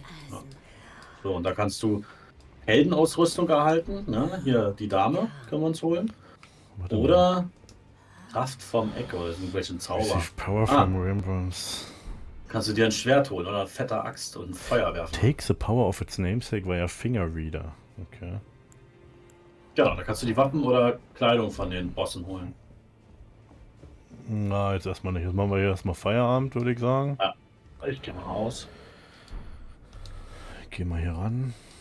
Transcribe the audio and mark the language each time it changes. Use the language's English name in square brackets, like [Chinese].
[German] Ja. So, und da kannst du Heldenausrüstung erhalten. Ne? Hier, die Dame können wir uns holen. Warte oder mal. Kraft vom Echo, irgendwelchen Zauber. [English] Power from Rembrandt. [German] Kannst du dir ein Schwert holen oder eine fette Axt und ein Feuerwerfer? [English] Take the power of its namesake via Finger Reader. Okay. [German] Genau, da kannst du die Wappen oder Kleidung von den Bossen holen. Na, jetzt erstmal nicht. Jetzt machen wir hier erstmal Feierabend, würde ich sagen. Ja, ich geh mal raus. Ich geh mal hier ran.